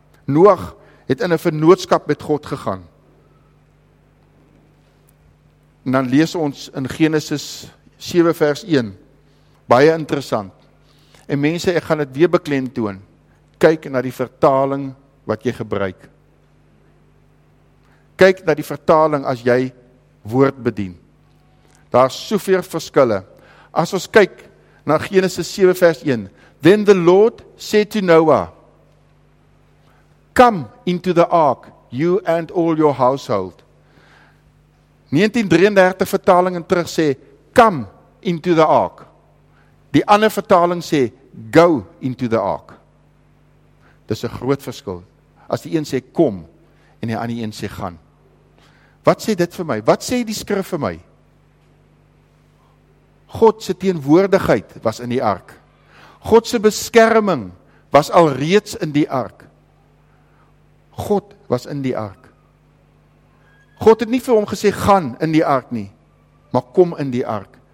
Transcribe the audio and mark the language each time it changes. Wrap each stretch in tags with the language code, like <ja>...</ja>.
<af>Noag het in 'n vennootskap met God gegaan. En dan lees ons in Genesis 7 vers 1, baie interessant. En mense, ek gaan dit weer beklemtoon, kyk na die vertaling wat jy gebruik. Kyk na die vertaling as jy woord bedien. Daar is soveel verskille. As ons kyk na Genesis 7 vers 1,</af> <en>Then the Lord said to Noah, Come into the ark, you and all your household.</en> <af>1933 vertaling en terug sê,</af> <en>Come into the ark.</en> <af>Die ander vertaling sê,</af> <en>Go into the ark.</en> <af>Dis 'n groot verskil. As die een sê kom, en die ander een sê gaan. Wat sê dit vir my? Wat sê die skrif vir my? God se teenwoordigheid was in die ark. God se beskerming was alreeds in die ark. God was in die ark. God het nie vir hom gesê, gaan in die ark nie, maar kom in die ark.</af>